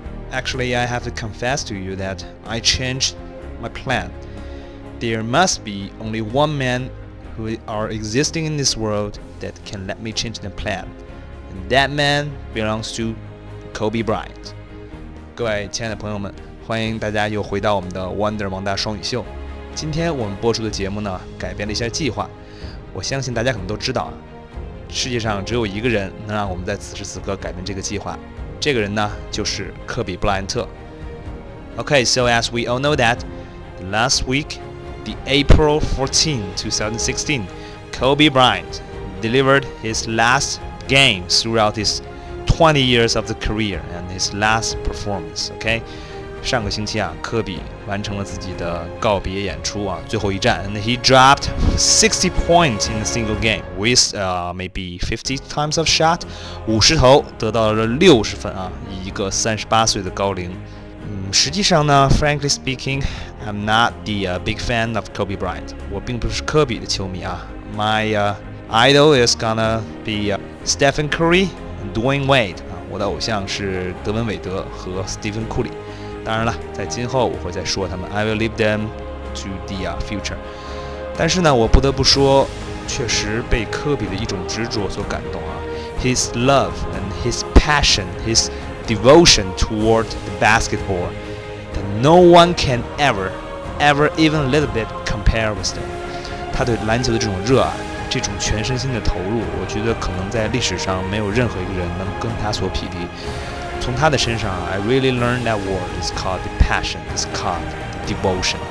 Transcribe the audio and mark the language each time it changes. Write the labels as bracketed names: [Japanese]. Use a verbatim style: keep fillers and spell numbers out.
[English] Actually, I have to confess to you that I changed my plan. There must be only one man who are existing in this world that can let me change the plan, and that man belongs to Kobe Bryant. [Chinese] 各位亲爱的朋友们，欢迎大家又回到我们的 Wonder 蒙大双语秀。今天我们播出的节目呢，改变了一下计划。我相信大家可能都知道啊，世界上只有一个人能让我们在此时此刻改变这个计划，这个人呢就是科比布莱恩特。 [English] Okay, so as we all know that last week. The April fourteenth, twenty sixteen, Kobe Bryant delivered his last game throughout his twenty years of the career and his last performance. [Chinese] Okay, 上个星期啊，科比完成了自己的告别演出啊，最后一战。 [English] And he dropped sixty points in a single game with、uh, maybe fifty times of shot. [Chinese] 五十投得到了六十分啊，以一个三十八岁的高龄。 [English] 嗯， [Chinese] 实际上呢 [English] ，frankly speaking, I'm not the、uh, big fan of Kobe Bryant. [Chinese] 我并不是科比的球迷啊。 [English] My、uh, idol is gonna be、uh, Stephen Curry and Dwayne Wade. [Chinese] 啊，我的偶像是德文韦德和斯蒂芬库里。当然了，在今后我会再说他们。 [English] I will leave them to the、uh, future. [Chinese] 但是呢，我不得不说，确实被科比的一种执着所感动啊。 [English] His love and his passion, his devotion toward the basketball that no one can ever, ever even a little bit compare with them. [Chinese] 他对篮球的这种热爱，这种全身心的投入，我觉得可能在历史上没有任何一个人能跟他所匹敌。从他的身上 [English] I really learned that word is called the passion, is called the devotion.